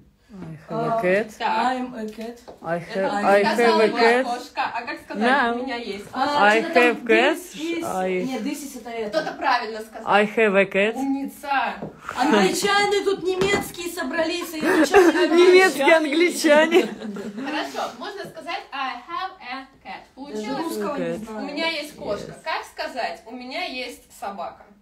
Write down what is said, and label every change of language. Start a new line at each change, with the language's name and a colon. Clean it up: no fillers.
English: I have a cat. I'm a cat. I have a cat.
Russian: Кошка. А как сказать, no. у меня есть?
English: I have cats.
Russian: Нет,
English: this is
Russian: это. Кто-то правильно сказал.
English: I have a cat.
Russian: Умница. Англичане тут немецкие собрались. И немецкие англичане. Хорошо, можно сказать
English: I have a cat.
Russian: Получилось? Русского не знаю. У меня есть кошка. Yes. Как сказать, у меня есть собака?